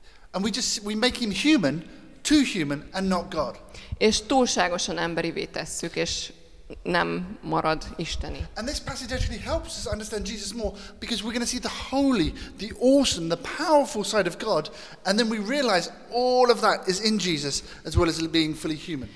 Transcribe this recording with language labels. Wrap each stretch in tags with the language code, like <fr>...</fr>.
<en>And we make him human, too human, and not God.</en> <hu>És túlságosan emberivé tesszük, és nem marad isteni.</hu> <en>And this passage actually helps us understand Jesus more, because we're going to see the holy, the awesome, the powerful side of God, and then we realize all of that is in Jesus, as well as being fully human.</en>